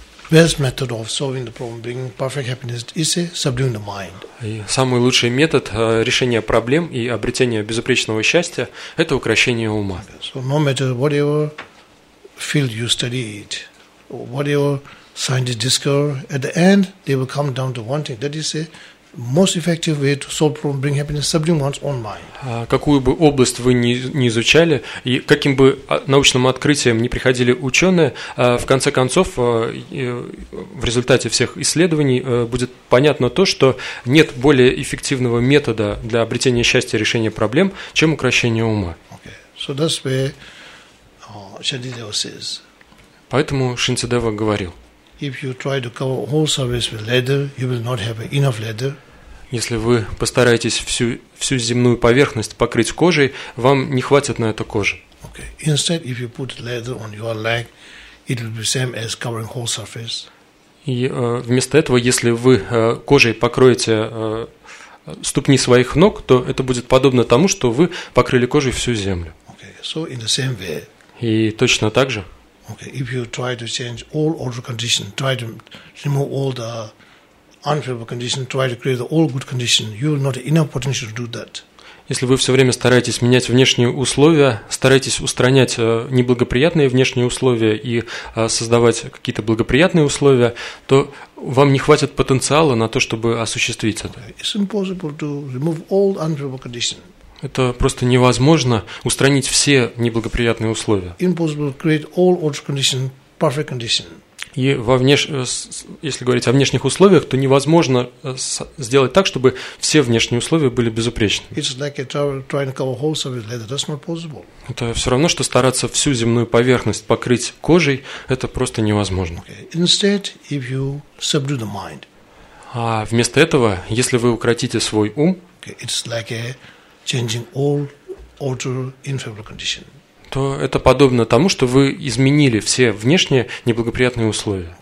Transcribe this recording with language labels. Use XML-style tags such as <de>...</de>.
<en>Best method of solving the problem, bringing perfect happiness, is subduing the mind.</en> <ru>Самый лучший метод решения проблем и обретения безупречного счастья – это укрощение ума.</ru> <en>So no matter whatever field you study, whatever scientists discover, at the end they will come down to one thing. That is a most effective way to solve problem, bring happiness, subduing one's own mind.</en> <ru>Какую бы область вы ни изучали, и каким бы научным открытием ни приходили ученые, в конце концов, в результате всех исследований будет понятно то, что нет более эффективного метода для обретения счастья и решения проблем, чем укрощение ума.</ru> <en>Okay. So that's where Shantideva says.</en> <ru>Поэтому Шантидева говорил.</ru> <en>If you try to cover whole service with leather, you will not have enough leather.</en> <ru>Если вы постараетесь всю земную поверхность покрыть кожей, вам не хватит на это кожи.</ru> <en>Okay. Instead, if you put leather on your leg, it will be same as covering whole surface.</en> <ru>И вместо этого, если вы кожей покроете ступни своих ног, то это будет подобно тому, что вы покрыли кожей всю землю.</ru> <en>Okay. So in the same way.</en> <ru>И точно так же.</ru> <en>Okay, if you try to change all outer condition, try to remove all the unfavorable condition, try to create the all good condition, you will not have enough potential to do that.</en> <ru>Если вы все время стараетесь менять внешние условия, стараетесь устранять неблагоприятные внешние условия и создавать какие-то благоприятные условия, то вам не хватит потенциала на то, чтобы осуществить это.</ru> <en>Okay, it's impossible to remove all unfavorable condition.</en> <ru>Это просто невозможно устранить все неблагоприятные условия.</ru> <en>Impossible to create all outer condition, perfect condition.</en> <ru>И если говорить о внешних условиях, то невозможно сделать так, чтобы все внешние условия были безупречными.</ru> <en>It's like a travel, trying to cover whole surface leather. That's not possible.</en> <ru>Это все равно, что стараться всю земную поверхность покрыть кожей, это просто невозможно.</ru> <en>Okay. Instead, if you subdue the mind.</en> <ru>А вместо этого, если вы укротите свой ум,</ru> <en>okay. It's like a changing all outer unfavorable condition.</en> <ru>То это подобно тому, что вы изменили все внешние неблагоприятные условия.</ru>